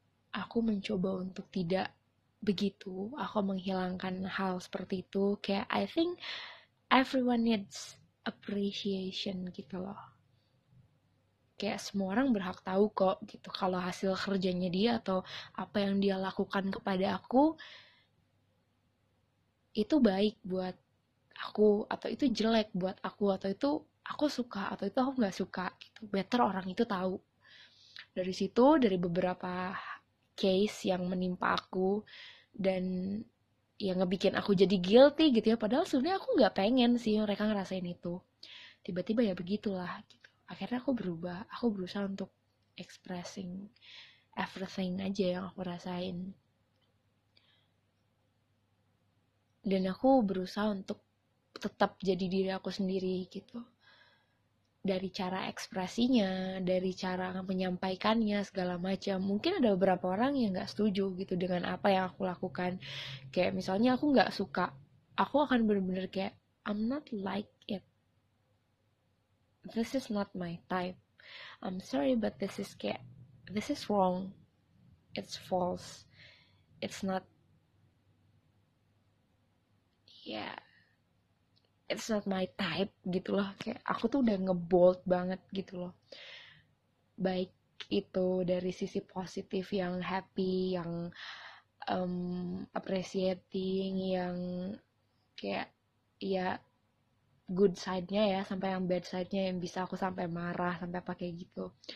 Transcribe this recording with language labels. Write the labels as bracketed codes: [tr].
[id] Aku mencoba untuk tidak begitu. Aku menghilangkan hal seperti itu. Kayak [en] I think everyone needs appreciation [id] gitu loh. Kayak semua orang berhak tahu kok gitu. Kalau hasil kerjanya dia atau apa yang dia lakukan kepada aku, itu baik buat aku atau itu jelek buat aku, atau itu aku suka atau itu aku gak suka gitu. Better orang itu tahu. Dari situ, dari beberapa case yang menimpa aku dan yang ngebikin aku jadi guilty gitu ya, padahal sebenarnya aku gak pengen sih mereka ngerasain itu. Tiba-tiba ya begitulah gitu. Akhirnya aku berubah, aku berusaha untuk [en] expressing everything [id] aja yang aku rasain. Dan aku berusaha untuk tetap jadi diri aku sendiri gitu. Dari cara ekspresinya, dari cara menyampaikannya, segala macam. Mungkin ada beberapa orang yang gak setuju gitu dengan apa yang aku lakukan. Kayak misalnya aku gak suka, aku akan benar-benar kayak [en] I'm not like it, this is not my type, I'm sorry but this is [id] kayak, [en] this is wrong, it's false, it's not, yeah, it's not my type [id] gitu loh. Kayak aku tuh udah ngebold banget gitu loh. Baik itu dari sisi positif yang happy, yang appreciating, yang kayak ya good side-nya ya, sampai yang bad side-nya yang bisa aku sampai marah, sampai apa kayak gitu.